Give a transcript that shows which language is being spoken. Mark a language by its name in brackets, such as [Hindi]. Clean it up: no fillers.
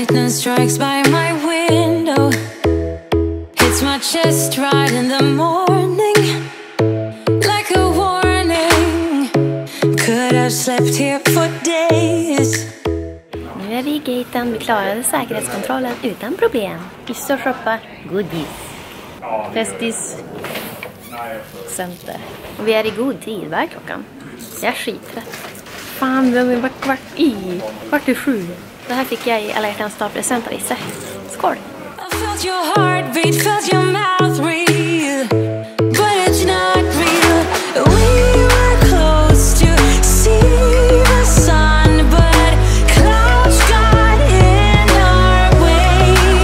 [English] Strikes by my window, hits my chest right in the morning, like a warning, could have slept here for days. [Swedish] Nu är vi i gaten, vi klarade säkerhetskontrollen utan problem. Vi står och shoppar goodies, festis center. Och vi är i god tid, vad är klockan? Jag är skittrött. Fan, den är bara kvart i, kvart i sju. Det här fick jag i Alla Hjärtans Dag present av Isse. Skål! [English] I felt your heartbeat, felt your mouth real. But it's not real. We were close to see the sun. But clouds got in our way.